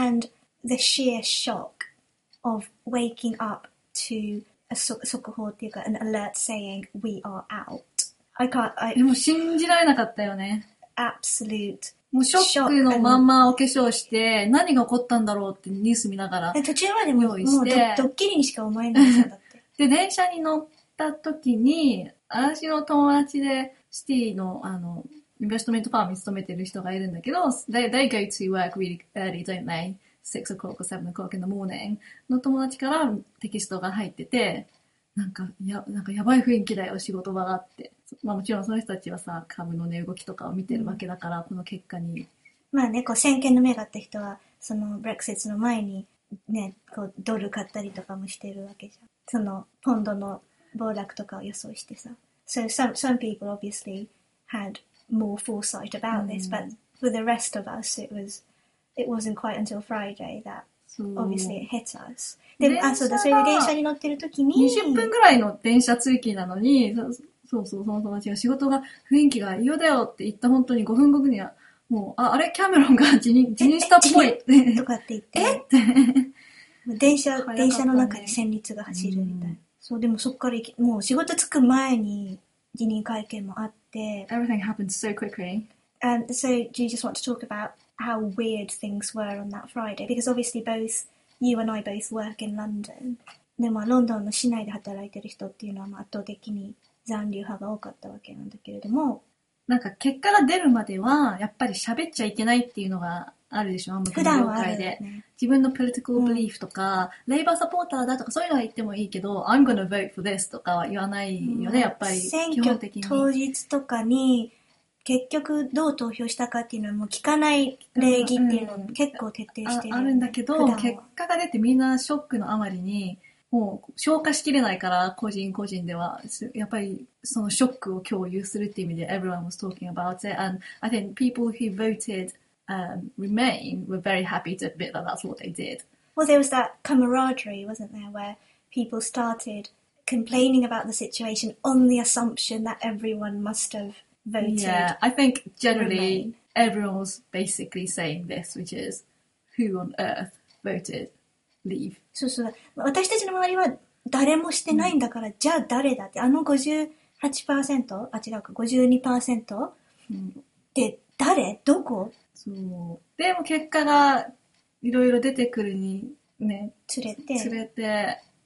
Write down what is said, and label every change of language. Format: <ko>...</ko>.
<en>And the sheer shock of waking up to a sokoho,</en> <ja>っていうか</ja> <en>an alert saying, we are out. I can't...</en> <ja>でも信じられなかったよね。</ja> <en>Absolute shock.</en> <ja>もうショックのまんまお化粧して、何が起こったんだろうってニュース見ながら途中までもうドッキリにしか思えないんだって。で、電車に乗った時に、私の友達で、シティの、あの、インベストメントファームに勤めてる人がいるんだけど、</ja> <en>they go to work really early, don't they? 6 o'clock or 7 o'clock in the morning</en> <ja>の友達からテキストが入ってて、なんかやばい雰囲気だよ、仕事場があって。まあもちろんその人たちはさ、株の値動きとかを見てるわけだから、うん、この結果に。まあね、こう、先見の目があった人は、その、Brexit の前に、ね、こう、ドル買ったりとかもしてるわけじゃん。その、ポンドの暴落とかを予想してさ。</ja> <en>So some people obviously had more foresight about this, but for the rest of us, it wasn't quite until Friday that obviously it hit us.</en> <ja>で、あ、そうだ、それで電車に乗ってる時に。 20分くらいの電車通勤なのに、そう、その友達が仕事が雰囲気が嫌だよって言った本当に5分後には、もう、あれ、キャメロンが辞任したっぽいって。とかって言って。えって。電車の中に旋律が走るみたい。そう、でもそっからもう仕事着く前に辞任会見もあって</ja> <en>Everything happened so quickly. And so do you just want to talk about how weird things were on that Friday? Because obviously both you and I both work in London.</en> <ja>でもロンドンの市内で働いてる人っていうのは圧倒的に残留派が多かったわけなんだけれども、なんか結果が出るまではやっぱり喋っちゃいけないっていうのがあるでしょ、あんまこの業界で、ね、自分のポリティカルブリーフとか、うん、レイバーサポーターだとかそういうのは言ってもいいけど、うん、</ja> <en>I'm gonna vote for this</en> <ja>とかは言わないよね、やっぱり基本的に選挙当日とかに結局どう投票したかっていうのはもう聞かない礼儀っていうのも結構徹底してる、うん、あるんだけど、結果が出てみんなショックのあまりにもう消化しきれないから、個人個人ではやっぱりそのショックを共有するっていう意味で</ja> <en>everyone was talking about it and I think people who votedremain were very happy to admit that that's what they did. Well, there was that camaraderie, wasn't there, where people started complaining about the situation on the assumption that everyone must have voted. Yeah, I think generally everyone was basically saying this, which is, who on earth voted leave?</en> <ja>そうそう。私たちの周りは誰もしてないんだから、じゃあ誰だって、あの 58%? あ、違うか、52%? で、誰？どこ？そう、でも結果がいろいろ出てくるにね、連れて</ja>